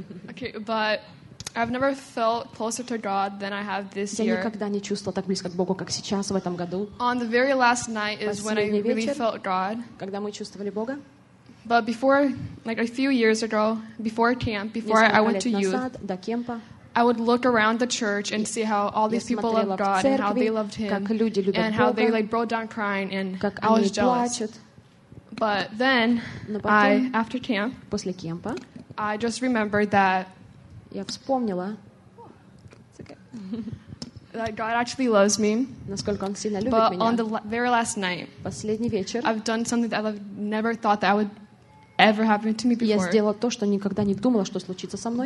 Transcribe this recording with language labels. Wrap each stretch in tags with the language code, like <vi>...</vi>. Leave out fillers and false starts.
<en>Okay, but I've never felt closer to God than I have this year.</en> <ru>Я никогда не чувствовала так близко к Богу, как сейчас в этом году.</ru> <en>On the very last night is when I really felt God.</en> <ru>Когда мы чувствовали Бога?</ru> <en>But before, like a few years ago, before camp, before I went to youth, I would look around the church and see how all these people loved God and how they loved Him and how they like broke down crying and I was jealous. But then, after camp,</en> <ru>после кемпа,</ru> <en>I just remembered that.</en> <ru>Я вспомнила.</ru> <en>That God actually loves me.</en> <ru>Насколько Он сильно любит</ru> <en>but</en> <ru>меня.</ru> <en>But on the very last night,</en> <ru>последний вечер,</ru> <en>I've done something that I've never thought that would ever happen to me before.</en> <ru>Я сделала то, что никогда не думала, что случится со мной.</ru>